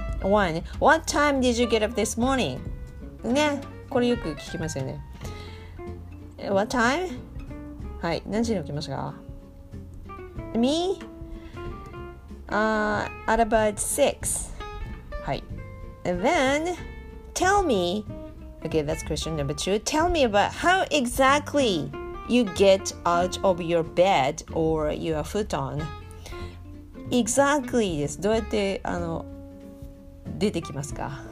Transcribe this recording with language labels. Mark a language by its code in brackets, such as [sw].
[en] One, what time did you get up this morning? [ja] ね、これよく聞きますよね。 [en] What time? [ja] はい、何時に起きましたか? [en] Me? At about 6. はい。 And then, tell me. Okay, that's question number two. Tell me about how exactly you get out of your bed or your futon. Exactly [ja] です。どうやって、出てきますか?